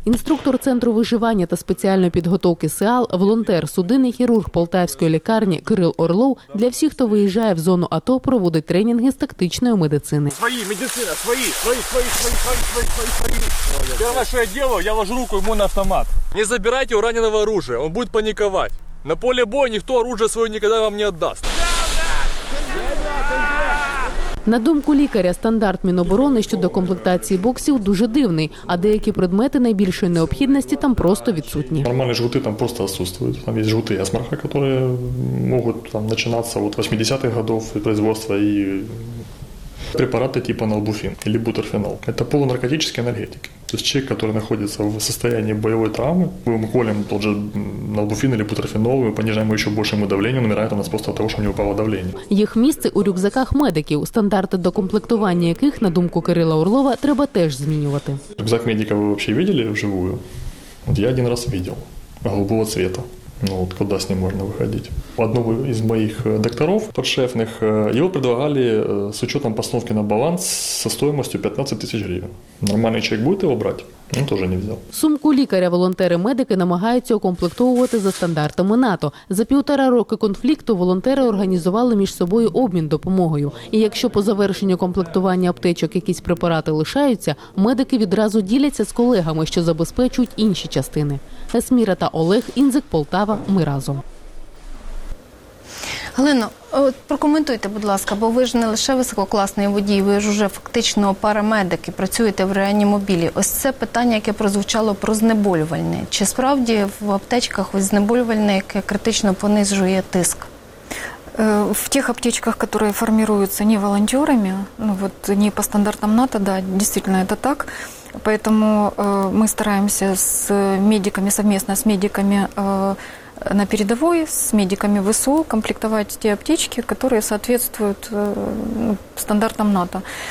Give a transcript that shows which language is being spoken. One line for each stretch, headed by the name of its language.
Ukrainian: Інструктор Центру виживання та спеціальної підготовки СЕАЛ, волонтер, судинний хірург Полтавської лікарні Кирил Орлов для всіх, хто виїжджає в зону АТО, проводить тренінги з тактичної медицини. Свої, медицина, свої. Перше, що я
Russian: делаю,
Ukrainian: я ложу руку йому на автомат.
Russian: Не забирайте у раненого оружие, он будет паниковать. На поле боя
Ukrainian: ніхто
Russian: оружие
Ukrainian: своє ніколи
Russian: вам не отдаст.
Ukrainian: На думку лікаря, стандарт Міноборони щодо комплектації боксів дуже дивний, а деякі предмети найбільшої необхідності там просто відсутні. Нормальні жгути там просто відсутні. Там є жгути Ясмарха, які можуть там починатися від 80-х років виробництва і препарати типу налбуфін або бутерфенол. Це полунаркотичні енергетики.
Russian: То есть человек, который находится в состоянии боевой травмы, мы ему колем тот же налбуфин или бутерфенол, мы понижаем ему еще больше ему давление, он умирает у нас просто от того, что у него упало давление.
Ukrainian: Їх місце у рюкзаках медиків, стандарти до комплектування яких, на думку Кирила Орлова, треба теж змінювати. Рюкзак медика ви взагалі бачили вживую? От я один раз бачив, голубого цвіту. Ну, от куди з ним можна виходити? Одного із моїх докторів, підшефних, його
Russian: предлагали з учетом постановки на баланс со стоимостью
Ukrainian: 15 тисяч гривень. Нормальний чоловік буде його брати? Він теж не взяв. Сумку лікаря волонтери-медики намагаються укомплектовувати за стандартами НАТО. За півтора роки конфлікту волонтери організували між собою обмін допомогою. І якщо по завершенню комплектування аптечок якісь препарати лишаються, медики відразу діляться з колегами, що забезпечують інші частини. Есміра та Олег, Інзик, Полтава, ми разом. Галино, от прокоментуйте, будь ласка, бо ви ж не лише висококласний водій, ви ж уже фактично парамедик і працюєте в реанімобілі. Ось це питання, яке прозвучало про знеболювальне. Чи справді в аптечках ось знеболювальне, яке критично понижує тиск?
Russian: В тих аптечках, которые формируются не волонтерами, ну вот не по стандартам НАТО, да, действительно это так. Поэтому мы стараемся с медиками, совместно с медиками на передовой, с медиками ВСУ комплектовать те аптечки, которые соответствуют стандартам НАТО.